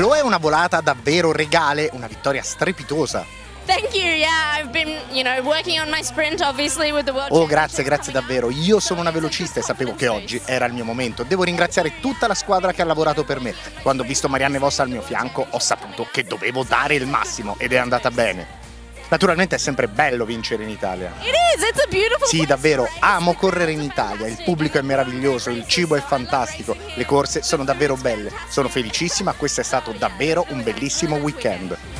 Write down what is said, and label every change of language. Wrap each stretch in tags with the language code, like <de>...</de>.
<it>una volata davvero regale, una vittoria strepitosa.</it> <en>Thank you. Yeah, I've been, you know, working on my sprint obviously with the world.</en> <it>Oh, grazie, grazie davvero. Io sono una velocista e sapevo che oggi era il mio momento. Devo ringraziare tutta la squadra che ha lavorato per me. Quando ho visto Marianne Vos al mio fianco, ho saputo che dovevo dare il massimo ed è andata bene. Naturalmente è sempre bello vincere in Italia.</it> <en>It is, it's a beautiful.</en> <it>Sì, davvero, amo correre in Italia. Il pubblico è meraviglioso, il cibo è fantastico, le corse sono davvero belle. Sono felicissima, questo è stato davvero un bellissimo weekend.</it>